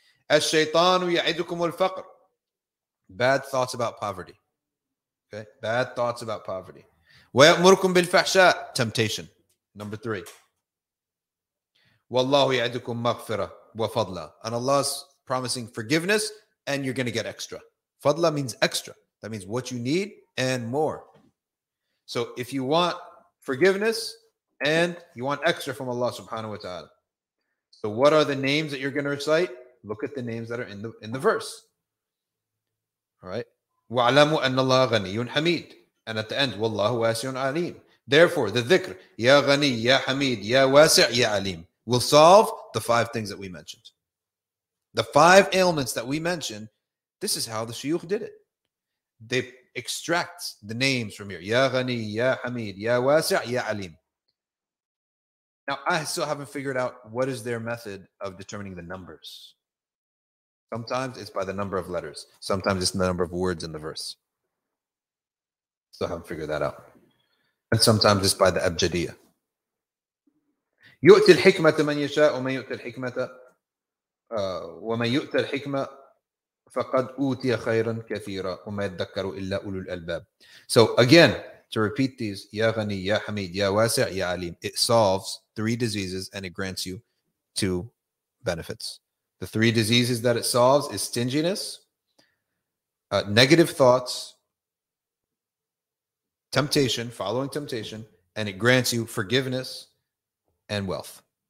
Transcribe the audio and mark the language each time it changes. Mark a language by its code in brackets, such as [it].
[en] As shaytanu ya'idukum al-faqr. Bad thoughts about poverty. Okay, bad thoughts about poverty. [ar] وَيَأْمُرُكُمْ بِالْفَحْشَاءِ temptation. [en] Number three. [ar] وَاللَّهُ يَعِدُكُمْ مَغْفِرَةً وَفَضْلًا. [en] And Allah's promising forgiveness and you're going to get extra. Fadla means extra. That means what you need and more. So if you want forgiveness and you want extra from Allah subhanahu wa ta'ala. So what are the names that you're going to recite? Look at the names that are in the verse. [ar] Right, وَعَلَمُوا أَنَّ اللَّهَ غَنِيٌّ حَمِيدٌ. [en] And at the end, [ar] وَاللَّهُ وَاسِعٌ عَلِيمٌ. [en] Therefore, the dhikr, [ar] يَا غَنِي, يَا حَمِيد, يَا وَاسِعْ, يَا عَلِيمٌ, [en] will solve the five things that we mentioned. The five ailments that we mentioned, this is how the shuyukh did it. They extract the names from here. [ar] يَا غَنِي, يَا حَمِيد, يَا وَاسِعْ, يَا عَلِيمٌ. [en] Now, I still haven't figured out what is their method of determining the numbers. Sometimes it's by the number of letters. Sometimes it's the number of words in the verse. Still haven't figured that out. And sometimes it's by the abjadiyya. [ar] يُؤْتِ الْحِكْمَةَ مَنْ يَشَاءُ وَمَنْ يُؤْتَ الْحِكْمَةَ وَمَنْ يُؤْتَ الْحِكْمَةَ فَقَدْ أُوْتِيَ خَيْرًا كَثِيرًا وَمَنْ يَتَّكَّرُ إِلَّا أُولُو الْأَلْبَابِ. [en] So again, to repeat these, [ar] يَا غَنِي, يَا حَمِيد, يَا وَاسِعْ, يَا عَلِيمْ. [en] It solves three diseases and it grants you two benefits. The three diseases that it solves is stinginess, negative thoughts, temptation, following temptation, and it grants you forgiveness and wealth.